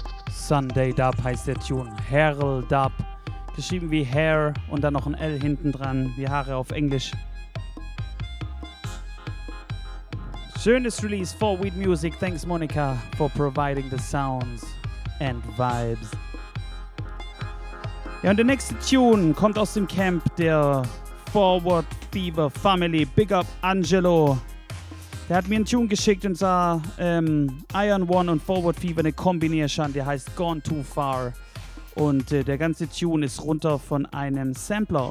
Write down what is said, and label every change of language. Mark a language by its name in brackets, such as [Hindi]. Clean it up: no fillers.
[German] Sunday Dub heißt der Tune. Harold Dub. Geschrieben wie Hair und dann noch ein L hinten dran, wie Haare auf Englisch. Schönes Release for Weed Music. [English] Thanks, Monica, for providing the sounds and vibes. [German] Ja, und der nächste Tune kommt aus dem Camp der Forward Fever Family. [English] Big up, [German] Angelo. Der hat mir einen Tune geschickt und sah Iron One und Forward Fever eine Kombination, der heißt Gone Too Far. Und der ganze Tune ist runter von einem Sampler.